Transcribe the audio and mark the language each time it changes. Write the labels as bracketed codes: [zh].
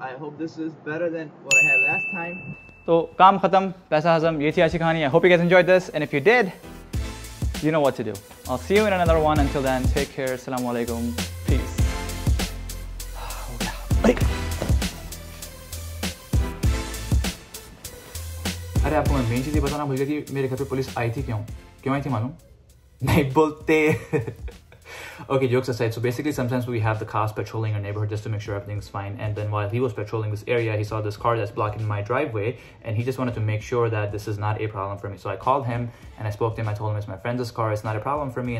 [en] I hope this is better than what I had last time. [hi] तो काम खत्म, पैसा हजम, ये थी आज की कहानी। [en] I hope you guys enjoyed this. And if you did, you know what to do. I'll see you in another one. Until then, take care. Assalamu alaikum. Peace. [hi] अरे आपको मैं मेन चीज़ ये बताना भूल गया कि मेरे घर पे पुलिस आई थी। क्यों? क्यों आई थी मालूम? नहीं बोलते। [en] Okay, jokes aside, so basically sometimes we have the cops patrolling our neighborhood just to make sure everything's fine. And then while he was patrolling this area, he saw this car that's blocking my driveway, and he just wanted to make sure that this is not a problem for me. So I called him and I spoke to him. I told him it's my friend's car, it's not a problem for me.